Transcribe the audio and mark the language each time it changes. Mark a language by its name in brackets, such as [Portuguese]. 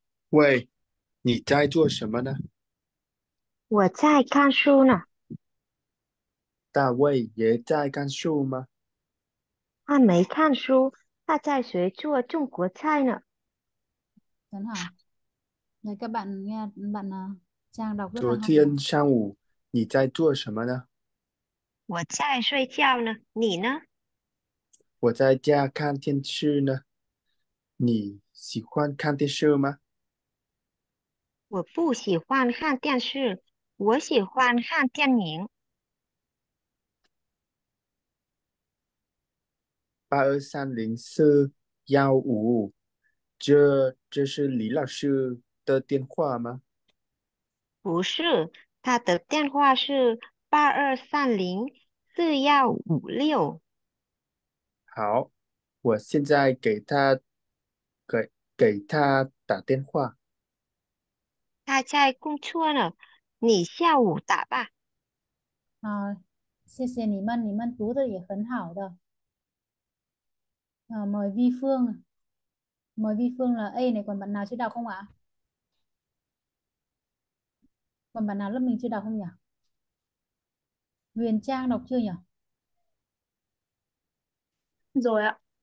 [Chinese] 喂，你在做什么呢？我在看书呢。大卫也在看书吗？他没看书，他在学做中国菜呢。很好，那各位你看， [Vietnamese] bạn Trang đọc rất [Chinese] 昨 [Vietnamese] là hay [Chinese] 天上午你在做什么呢？哦。我在睡觉呢，你呢？我在家看电视呢。你喜欢看电视吗？我不喜欢看电视。我喜欢看电影。 8230-11555，这是李老师的电话吗？不是，他的电话是8230-4156。好，我现在给他打电话。他在工作呢。你下午打吧。谢谢你们，你们读的也很好的。 [Vietnamese] Mời Vi Phương, mời Vi Phương là A này, còn bạn nào chưa đọc không ạ? Còn bạn nào lớp mình chưa đọc không nhỉ? Huyền Trang đọc chưa nhỉ? Rồi ạ.